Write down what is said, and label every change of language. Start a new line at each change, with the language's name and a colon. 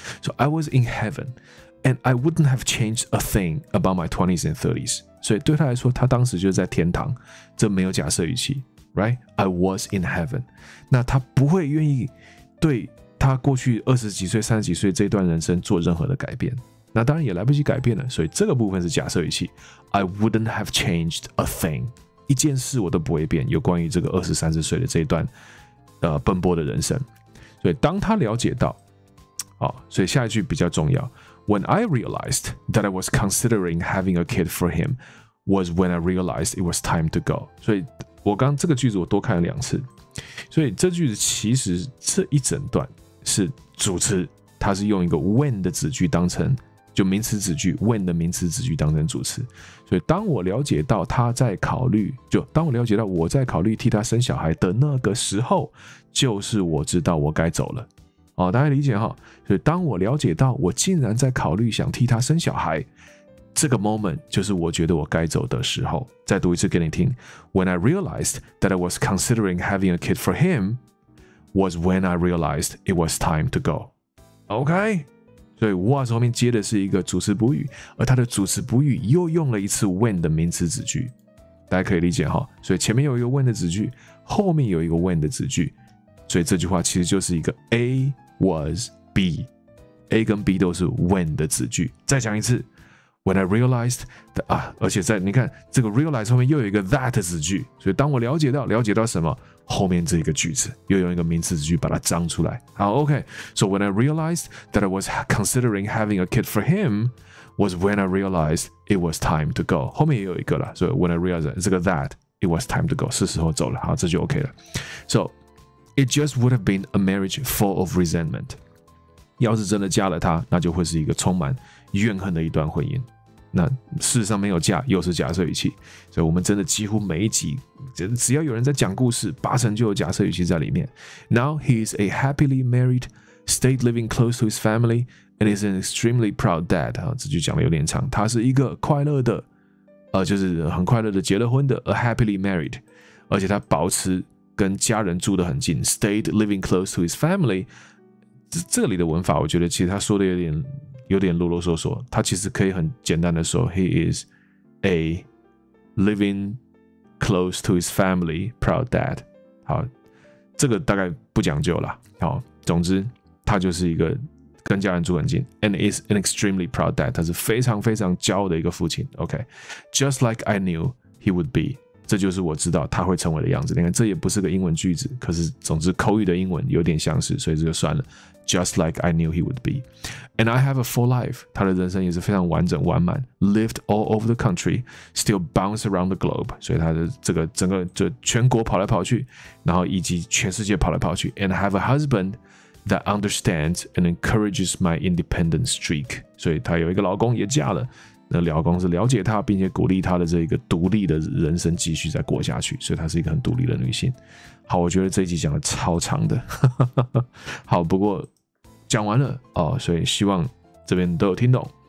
English: So I was in heaven, and I wouldn't have changed a thing about my 20s and 30s.
Chinese: 所以对他来说，他当时就是在天堂，这没有假设语气 ，
English: Right? I was in heaven.
Chinese: 那他不会愿意对他过去二十几岁、三十几岁这段人生做任何的改变。那当然也来不及改变了，所以这个部分是假设语气。
English: I wouldn't have changed a thing，
Chinese: 一件事我都不会变。有关于这个二十三十岁的这一段，奔波的人生。所以当他了解到，好，所以下一句比较重要。
English: When I realized that I was considering having a kid for him， was when I realized it was time to go。
Chinese: 所以我刚这个句子我多看了两次，所以这句子其实这一整段是主词，它是用一个 when 的子句当成。就名词子句 when 的名词子句当成主词，所以当我了解到他在考虑，就当我了解到我在考虑替他生小孩的那个时候，就是我知道我该走了。哦，大家理解哈？所以当我了解到我竟然在考虑想替他生小孩，这个 moment 就是我觉得我该走的时候。再读一次给你听
English: ：When I realized that I was considering having a kid for him, was when I realized it was time to go. OK。
Chinese: 所以 was 后面接的是一个主词补语，而它的主词补语又用了一次 when 的名词子句，大家可以理解哈。所以前面有一个 when 的子句，后面有一个 when 的子句，所以这句话其实就是一个
English: A was B，
Chinese: A 跟 B 都是 when 的子句。再讲一次 ，
English: When I realized that,
Chinese: 啊，而且在你看这个 realize 后面又有一个 that 子句，所以当我了解到什么？后面这一个句子又用一个名词子句把它张出来。好 ，OK。
English: So when I realized that I was considering having a kid for him, was when I realized it was time to go。
Chinese: 后面也有一个了，所以
English: when I realized
Chinese: 这个
English: that it was time to go，
Chinese: 是时候走了。好，这就 OK 了。
English: So it just would have been a marriage full of resentment。
Chinese: 要是真的嫁了他，那就会是一个充满怨恨的一段婚姻。那事实上没有嫁，又是假设语气，所以我们真的几乎每一集，只要有人在讲故事，八成就有假设语气在里面。
English: Now he is a happily married, stayed living close to his family, and is an extremely proud dad。
Chinese: 这句讲的有点长，他是一个快乐的，就是很快乐的结了婚的 ，
English: a happily married，
Chinese: 而且他保持跟家人住得很近 ，
English: stayed living close to his family。
Chinese: 这里的文法，我觉得其实他说的有点啰啰嗦嗦，他其实可以很简单的说 ，
English: He is a living close to his family proud dad。
Chinese: 好，这个大概不讲究了。好，总之他就是一个跟家人住很近 ，
English: and is an extremely proud dad。
Chinese: 他是非常非常骄傲的一个父亲。
English: OK，just like I knew he would be。
Chinese: 这就是我知道他会成为的样子。你看，这也不是个英文句子，可是总之口语的英文有点相似，所以这就算了。
English: Just like I knew he would be. And I have a full life.
Chinese: 他的人生也是非常完整完满
English: Lived all over the country. Still bounce around the globe.
Chinese: 所以他的这个整个就全国跑来跑去，然后以及全世界跑来跑去。
English: And I have a husband that understands and encourages my independent streak.
Chinese: 所以他有一个老公也嫁了，那老公是了解他并且鼓励他的这个独立的人生继续再过下去，所以他是一个很独立的女性。好，我觉得这一集讲的超长的。好，不过讲完了，所以希望这边都有听懂。